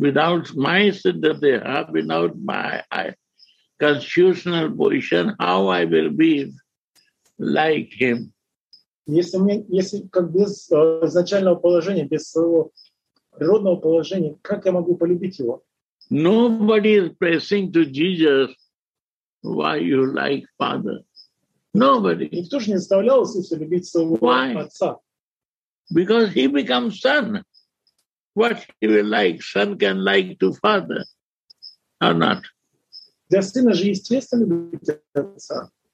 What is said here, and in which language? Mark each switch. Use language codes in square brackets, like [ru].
[en] Without my Siddhadeha, without my constitutional position, how I will be like him? [ru] Если как без изначального положения, без своего природного положения, как я могу полюбить его? [en] Nobody is pressing to Jesus why you like Father. Nobody. [ru] Никто же не заставлял Иисуса любить своего [en] Why? [ru] Отца. [en] Because he becomes son. What he will like? Son can like to father or not. [ru] Для сына же естественно любить отца.